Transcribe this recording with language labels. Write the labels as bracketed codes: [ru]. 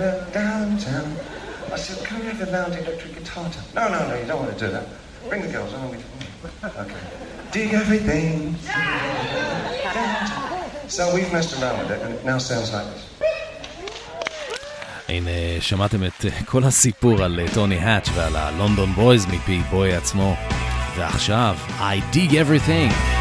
[en] Downtown. I said, can we have a loud electric guitar tone? No, you don't want to do that. Bring the girls, I want to... Okay. Dig everything. Downtown. So we've messed around with it, and it now sounds like this. [he] הנה, שמעתם את כל הסיפור על טוני האץ' ועל הלונדון בויז מפי בוי עצמו. ועכשיו, I Dig Everything.